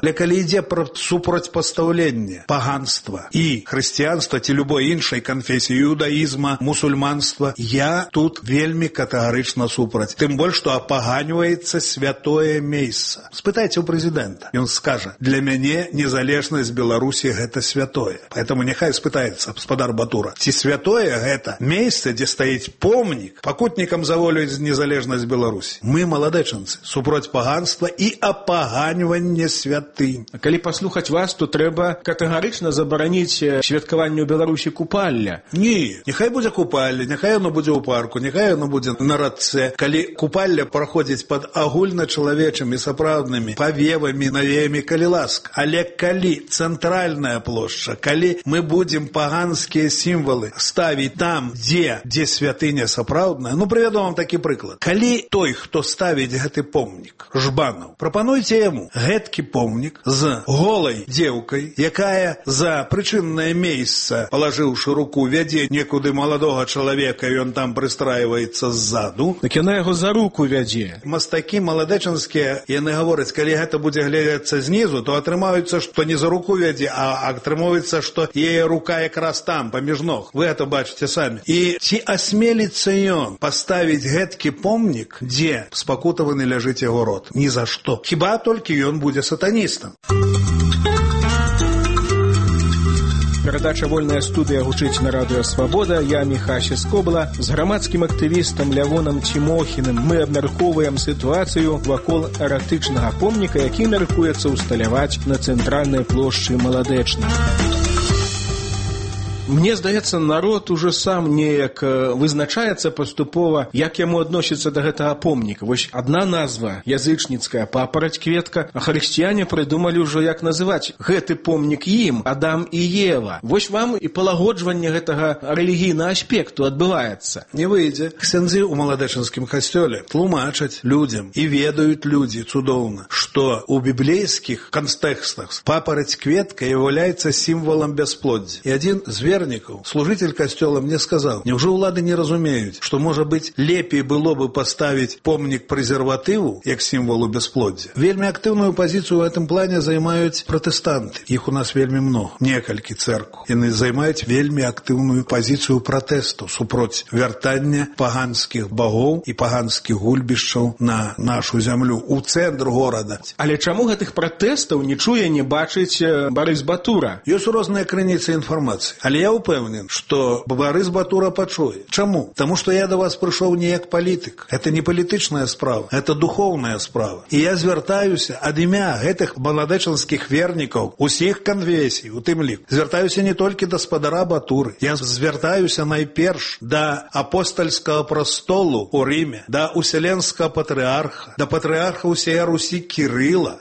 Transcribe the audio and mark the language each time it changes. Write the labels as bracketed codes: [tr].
[be] Але калі ідзе пра супрацьпастаўленне паганства і хрысціянства ці любой іншай канфесіі, іудаізма, мусульманства, я тут вельмі катэгарычна супраць. Тым больш, што апаганьваецца святое месца. Спытайце ў прэзідэнта. Ён скажа, для мяне незалежнасць Беларусі гэта святое. [ru] Поэтому [be] нехай спытаецца спадар Батура. Ці святое гэта месца, дзе стаіць помнік пакутнікам за волю і незалежнасць Беларусі? Мы, маладэчанцы, супроць паганства і апаганьванне святынь. А калі паслухаць вас, то трэба катэгарычна забараніць святкаванне ў Беларусі купалля. Ні, нехай будзе купалля, нехай оно будзе ў парку, нехай оно будзе на радце. Калі купалля праходзіць пад агульначалавечымі сапраўднымі павевамі, навеямі, калі ласк. Але калі цэнтральная плошча, калі мы будзем [ru] будем поганские символы ставить там, где святыня соправдная. Ну, приведу вам такий приклад. Коли той, кто ставит гэтый помник, жбанов, пропонуйте ему гэткий помник с голой девкой, якая за причинное место, положивши руку, веде некуды молодого человека, и он там пристраивается сзаду. Так она его за руку веде. [be] Мастаки [ru] молодеченские, и они говорят, [be] коли гэта будзе глядзяцца знізу, то атрымаюцца, што не за руку вядзе, а атрымаюцца, што яе рука якраз там, паміж ног. Вы гэта бачыце самі. І ці асмеліцца ён паставіць гэткі помнік, дзе спакутаваны ляжыць яго рот? Ні за што. Хіба толькі ён будзе сатаністам. [ru] Передача «Вольная студия» гучить на радио «Свобода». Я Михася Скобла. С громадским активистом Лявоном Тимохиным мы обмерковываем ситуацию вокруг эротичного помника, який меркуется усталявать на центральной площади Молодечна. [be] Мне здаецца, народ уже сам неяк вызначаецца паступова, як яму адносіцца да гэтага помніка. Вось адна назва, язычніцкая папараць кветка, а хрысціяне прыдумалі ўжо, як называць гэты помнік ім, Адам і Ева. Вось вам і палагоджванне гэтага рэлігійнага аспекту адбываецца. Не выйдзе. Ксензі ў маладэчынскім касцёле тлумачаць людзям і ведаюць людзі цудоўна, што ў біблейскіх кантэкстах папараць кветка з'яўляецца сімвалам бясплоддзя. І адзін з [ru] верников, служитель костела мне сказал, неужели улады не разумеют, что, может быть, лепее было бы поставить помник презервативу, как символу бесплодия. Вельми активную позицию в этом плане занимают протестанты. Их у нас вельми много, несколько церкв. И они занимают вельми активную позицию протеста, супроть вертания паганских богов и паганских гульбищев на нашу землю, у центр города. Але чому гэтых протестов не чуя, не бачить Борис Батура? Есть разные крыницы информации. [be] Але я упэўнен, што Барыс Батура пачуе. Чаму? Таму што я да вас прыйшоў не як палітык. Гэта не палітычная справа, гэта духоўная справа. І я звяртаюся ад імя гэтых маладэчанскіх вернікаў, усіх канфесій, у тым ліку. Звяртаюся не толькі да спадара Батуры. Я звяртаюся найперш да апостальскага прастолу ў Рыме, да усяленскага патрыарха, да патрыарха ўсяе Русі Кірыла.